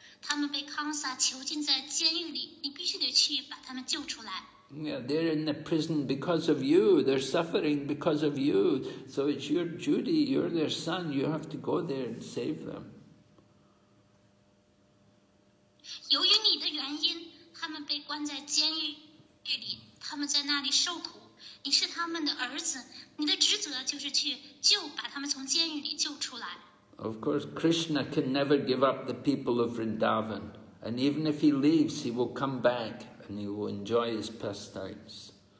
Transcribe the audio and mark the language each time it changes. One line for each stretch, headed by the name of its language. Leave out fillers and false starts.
Chinese: 他们被康萨囚禁在监狱里，你必须得去把他们救出来。
English: Yeah, they're in the prison because of you. They're suffering because of you. So it's your duty. You're their son. You have to go there and save them.
Chinese: 由于你的原因，他们被关在监狱里，他们在那里受苦。你是他们的儿子，你的职责就是去救，把他们从监狱里救出来。
English: Of course, Krishna can never give up the people of Vrindavan. And even if he leaves, he will come back and he will enjoy his pastimes.